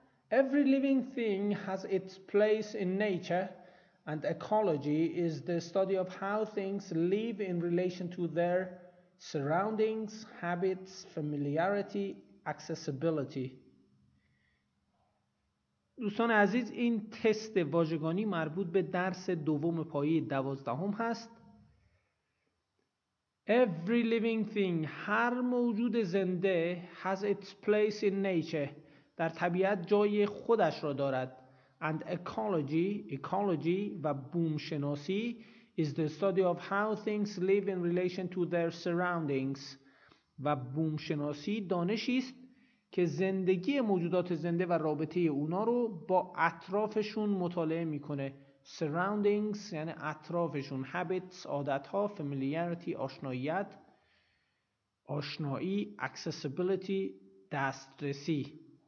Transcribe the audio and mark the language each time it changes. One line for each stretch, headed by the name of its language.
English: Every living thing has its place in nature, and ecology is the study of how things live in relation to their surroundings, habits, familiarity, accessibility.
Persian: دوستان عزیز, این تست واژگانی مربوط به درس دوم پایه 12 هست. Every living thing, هر موجود زنده, has its place in nature, در طبیعت جای خودش را دارد.
English: And ecology و بوم شناسی is the study of how things live in relation to their surroundings.
Persian: و بوم شناسی دانشی است که زندگی موجودات زنده و رابطه اونا رو با اطرافشون مطالعه میکنه. Surroundings یعنی اطرافشون. Habits عادتها, familiarity آشناییت, آشنایی, accessibility دسترسی.